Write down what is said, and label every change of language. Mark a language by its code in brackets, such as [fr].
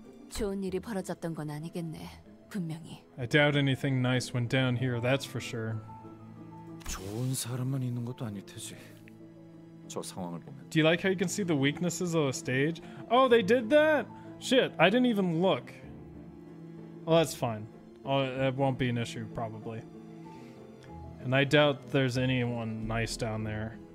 [ko] 좋은 일이 벌어졌던 건 아니겠네. 분명히. [en] I doubt anything nice went down here, that's for sure. [ko] 좋은 사람만 있는 것도 아닐 테지. [en] Do you like how you can see the weaknesses of a stage? Oh, they did that? Shit, I didn't even look. Well, that's fine. Oh, that won't be an issue, probably. And I doubt there's anyone nice down there.